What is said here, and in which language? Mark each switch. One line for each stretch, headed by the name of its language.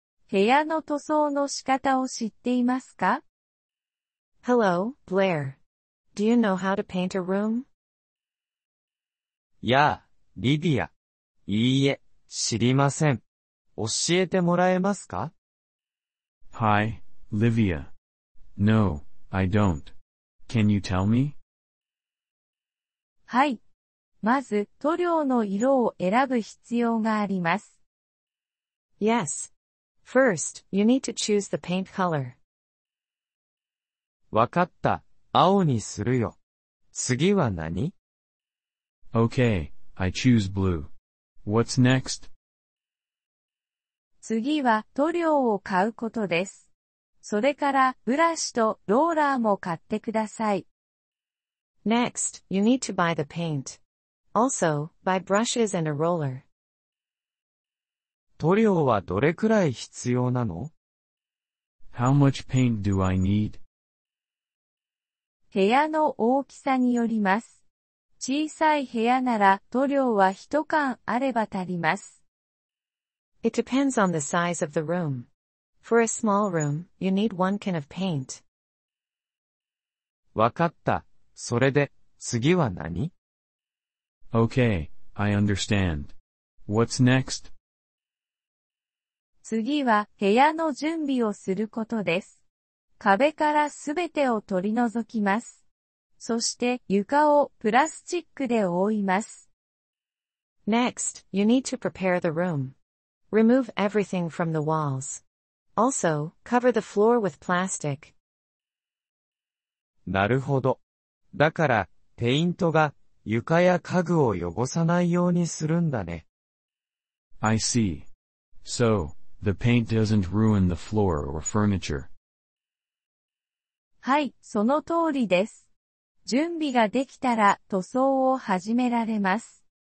Japanese: 部屋の塗装の仕方を知っていますか?
English: Hello, Blair. Do you know how to paint a room?
Japanese: やあ、リディア。いいえ、知りません。教えてもらえますか?
English: Hi, Livia. No, I don't. Can you tell me?
Japanese: はい。まず、塗料の色を選ぶ必要があります。
English: Yes. First, you need to choose the paint color.
Japanese: わかった。青にするよ。次は何?
English: Okay, I choose blue. What's next?
Japanese: 次は塗料を買うことです。それからブラシとローラーも買ってください。
English: Next, you need to buy the paint. Also, buy brushes and a roller.
Japanese: 塗料はどれくらい必要なの?
English: How much paint do I need?
Japanese: 部屋の大きさによります。小さい部屋なら塗料は一缶あれば足ります。
English: It depends on the size of the room. For a small room, you need one can of paint.
Japanese: わかった。それで、次は何?
English: Okay, I understand. What's next?
Japanese: 次は部屋の準備をすることです。壁からすべてを取り除きます。そして床をプラスチックで覆います。
English: Next, you need to prepare the room. Remove everything from the walls. Also, cover the floor with plastic.
Japanese: なるほど。だから、ペイントが床や家具を汚さないようにするんだね。
English: I see. So, the paint doesn't ruin the floor or furniture.
Japanese: はい、その通りです。準備ができたら塗装を始められます。